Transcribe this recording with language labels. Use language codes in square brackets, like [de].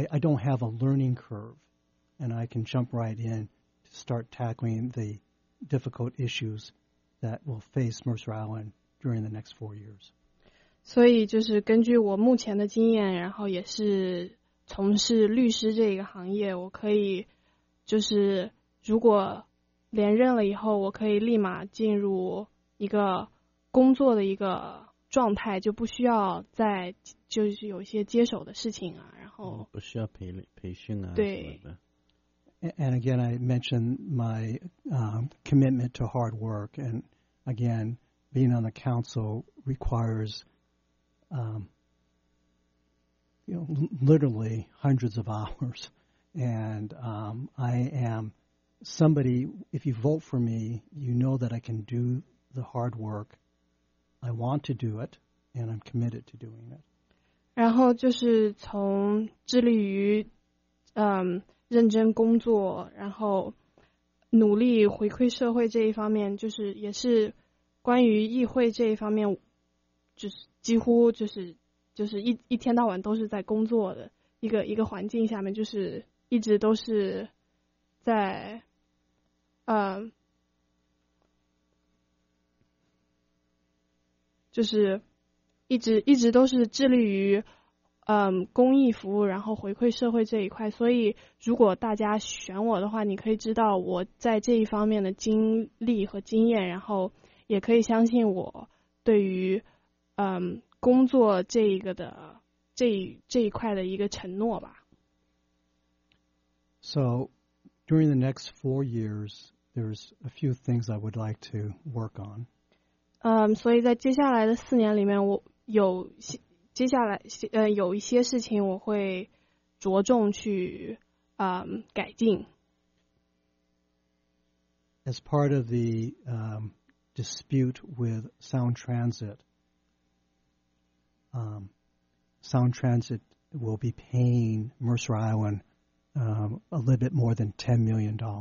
[en] I don't have a learning curve, and I can jump right in to start tackling the difficult issues that will face Mercer Island during the next 4 years. [zh] 所以就是根据我目前的经验，然后也是从事律师这个行业，我可以就是如果连任了以后，我可以立马进入一个工作的一个状态，就不需要再就是有一些接手的事情啊，然后不需要培训啊，对。 [en] And again, I mentioned my commitment to hard work. And again, being on the council requires literally hundreds of hours. And I am somebody, if you vote for me, you know that I can do the hard work. I want to do it, and I'm committed to doing it. [zh] 然后就是从致力于认真工作，然后努力回馈社会这一方面，就是也是关于议会这一方面，就是几乎就是一天到晚都是在工作的一个环境下面，就是一直都是在就是一直都是致力于公益服务，然后回馈社会这一块。所以如果大家选我的话，你可以知道我在这一方面的经历和经验，然后也可以相信我对于工作这一块的一个承诺吧。 [en] So during the next 4 years, there's a few things I would like to work on. [zh] 所以在接下来的四年里面，我有接下来有一些事情我会着重去改进。 [en] As part of the dispute with Sound Transit, Sound Transit will be paying Mercer Island a little bit more than $10 million.